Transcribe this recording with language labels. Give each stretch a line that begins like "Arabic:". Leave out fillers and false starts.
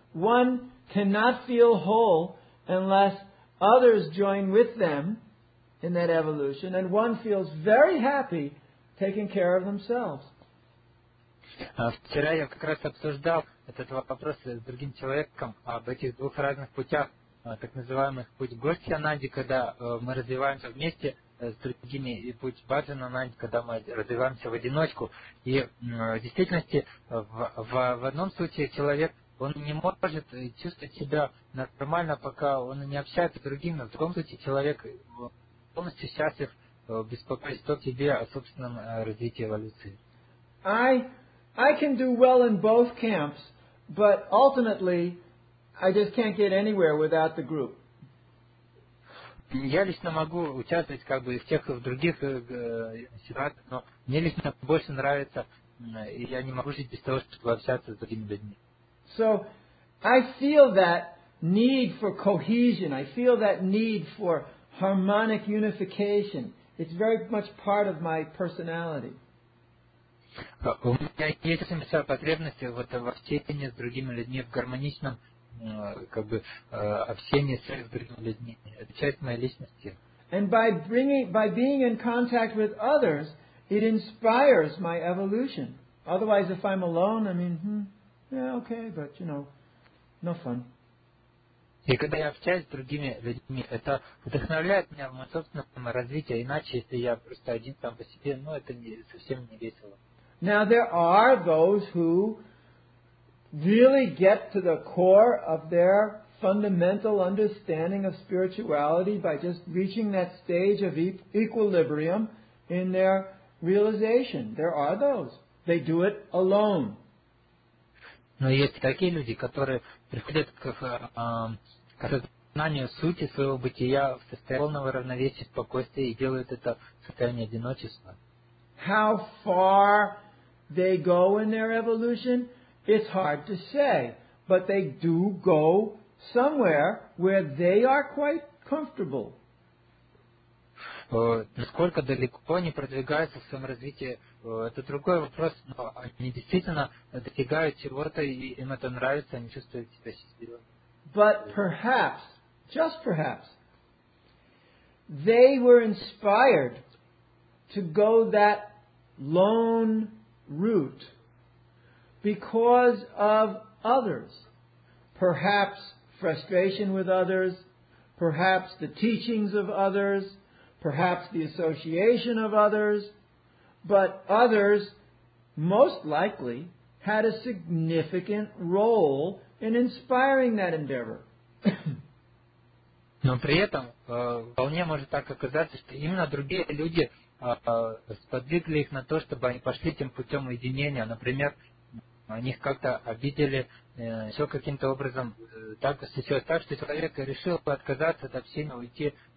English: One cannot feel whole unless others join with them in that evolution, and one feels very happy taking care of themselves.
Russian: Вчера я как раз обсуждал этот вопрос с другим человеком об этих двух разных путях, так называемых путь Гостья-Нанди, когда мы развиваемся вместе с другими, и путь Баджана-Нанди, когда мы развиваемся в одиночку. И в действительности в одном случае человек, он не может чувствовать себя нормально, пока он не общается с другими. В другом случае человек полностью счастлив, беспокоить то тебе о собственном развитии эволюции.
English: I can do well in both camps, but ultimately I just can't get anywhere without the group.
Russian: Я лично могу участвовать как бы в тех и в других ситуациях, но мне лично больше нравится, и я не могу жить без того, чтобы общаться с другими людьми.
English: So I feel that need for cohesion, I feel that need for harmonic unification. It's very much part of my personality.
Russian: У меня есть вся потребность вот в общении с другими людьми, в гармоничном как бы общении с другими людьми. Это часть моей личности.
English: And by being in contact with others, it inspires my evolution. Otherwise, if I'm alone, I mean, yeah, okay, but you know, no fun.
Russian: И когда я общаюсь с другими людьми, это вдохновляет меня в моем собственном развитии. Иначе, если я просто один там по себе, ну, это не, совсем не весело.
English: Now there are those who really get to the core of their fundamental understanding of spirituality by just reaching that stage of equilibrium in their realization. There are those. They do it alone.
Russian: Но есть такие люди, которые приходят к осознанию сути своего бытия в состоянии полного равновесия, спокойствия и делают это в состоянии одиночества.
English: How far they go in their evolution, it's hard to say. But they do go somewhere where they are quite comfortable.
Russian: Насколько далеко они продвигаются в своем развитии, это другой вопрос, но они действительно достигают чего-то, и им это нравится, они чувствуют себя счастливыми.
English: But perhaps, just perhaps, they were inspired to go that lone route because of others. Perhaps frustration with others, perhaps the teachings of others, perhaps the association of others, but others most likely had a significant role in inspiring that endeavor.
Russian: Но при этом вполне может так оказаться, что именно другие люди сподвигли их на то, чтобы они пошли тем путем уединения. Например, они их как-то обидели, все каким-то образом так случилось, так что человек решил отказаться от общения, уйти.